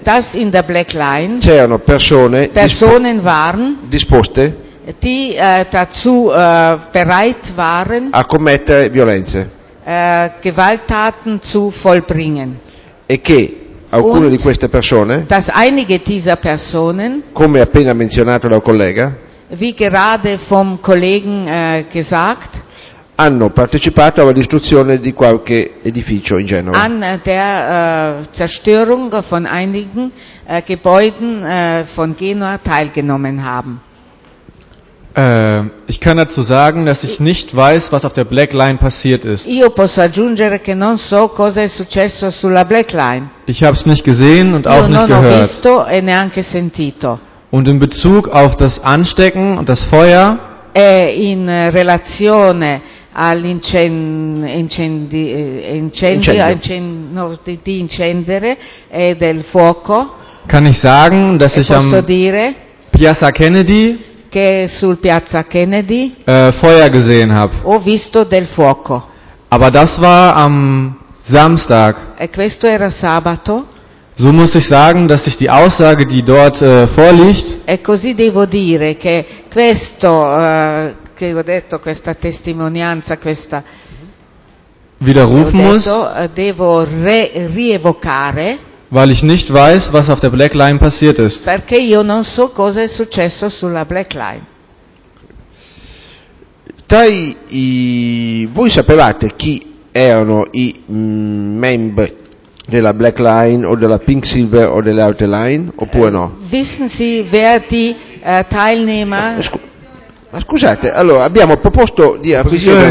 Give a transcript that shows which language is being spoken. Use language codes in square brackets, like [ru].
[de] das in der Black Line [it] c'erano persone [de] Personen waren, [it] disposte [de] die, dazu, bereit waren, [it] a commettere violenze, [de] Gewalttaten zu vollbringen, [it] e che alcune di queste persone, [de] dass einige dieser Personen, [it] come appena menzionato dal collega, [de] wie gerade vom Kollegen, gesagt, [it] hanno partecipato alla distruzione di qualche edificio in Genova. [de] An der Zerstörung von einigen Gebäuden von Genua teilgenommen haben. Ich kann dazu sagen, dass ich nicht weiß, was auf der Black Line passiert ist. [it] Io posso aggiungere che non so cosa è successo sulla Black Line. [de] Ich habe es nicht gesehen und auch nicht gehört. [it] Non ho visto e neanche sentito. [de] Und in Bezug auf das Anstecken und das Feuer. [it] In relazione all'incendio e del fuoco. [de] Kann ich sagen, dass ich am Piazza Kennedy, [it] che sul Piazza Kennedy, [de] Feuer gesehen habe. [it] Ho visto del fuoco. [de] Aber das war am Samstag. [it] E questo era sabato. [de] So muss ich sagen, dass sich die Aussage, die dort vorliegt, [it] e così devo dire che questo che ho detto, questa testimonianza, questa [de] widerrufen muss, [it] devo rievocare, [de] weil ich nicht weiß, was auf der Black Line passiert ist. [it] Perché io non so cosa è successo sulla Black Line. Voi sapevate chi erano i membri della Black Line o della Pink Silver o delle altre line, oppure no? [de] Wissen Sie, wer die Teilnehmer? [it] Ma scusate, allora abbiamo proposto di acquisire